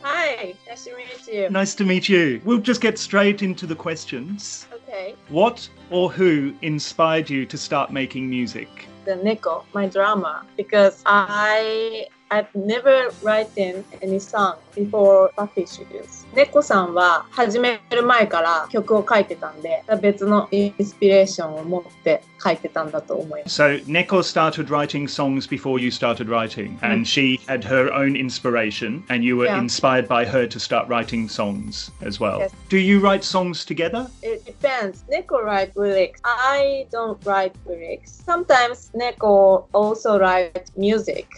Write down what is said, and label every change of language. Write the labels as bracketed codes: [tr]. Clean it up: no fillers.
[en] Hi, nice to meet you. Nice to meet you. We'll just get straight into the questions. Okay. What or who inspired you to start making music? the Neko, my drama, because I've never written any song before Buffy Studios. [ja] Neko-san は始める前から曲を書いてたんで、別のインスピレーションを持って書いてたんだと思います。 [en] So, Neko started writing songs before you started writing, and she had her own inspiration, and you were inspired by her to start writing songs as well. Yes. Do you write songs together? It depends. Neko writes lyrics. I don't write lyrics. Sometimes Neko also writes music.